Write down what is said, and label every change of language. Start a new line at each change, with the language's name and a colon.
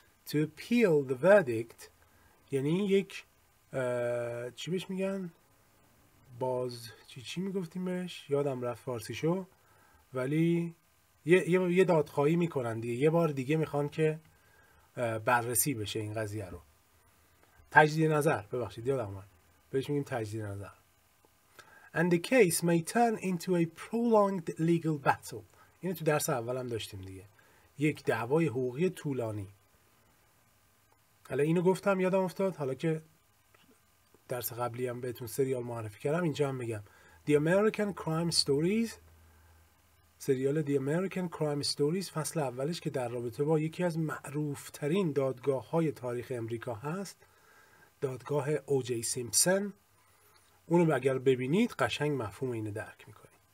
English: To appeal the verdict
Persian: یعنی یک چی بهش میگن؟ باز چی میگفتیم بهش؟ یادم رفت فارسیشو. ولی یه دادخواهی میکنن دیگه، یه بار دیگه میخوان که بررسی بشه این قضیه رو. تجدید نظر، ببخشید یادم اومد، بهش میگیم تجدید نظر.
English: And the case may turn into a prolonged legal battle.
Persian: اینه تو درس اول هم داشتیم دیگه، یک دعوای حقوقی طولانی. حالا اینو گفتم یادم افتاد، حالا که درس قبلی هم بهتون سریال معرفی کردم اینجا هم بگم. The American Crime Stories، سریال The American Crime Stories فصل اولش که در رابطه با یکی از معروفترین دادگاه های تاریخ امریکا هست، دادگاه او جی سیمپسن، اونو اگر ببینید قشنگ مفهوم اینو درک میکنید.